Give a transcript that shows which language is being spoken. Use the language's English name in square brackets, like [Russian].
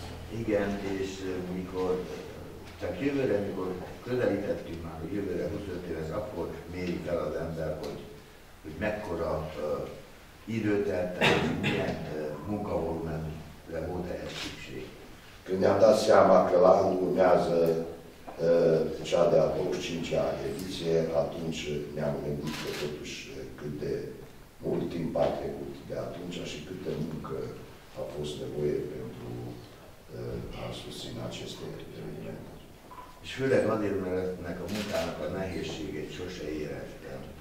[Hungarian] Igen, és mikor csak jövőre, mikor közelítettük már a jövőre 25 évhez, akkor méri fel az ember, hogy mekkora időt eltelt, és milyen munkavolumenre volt ehhez szükség. [Romanian] Când ne-am dat seama că la anul urmează cea de-a 25-a ediție, atunci ne-am gândit că totuși cât de mult timp a trecut de atunci și câtă muncă a fost nevoie pentru a susține aceste evenimente. Și [Hungarian] főleg azért, mert a munkának a nehézségét sose éreztem.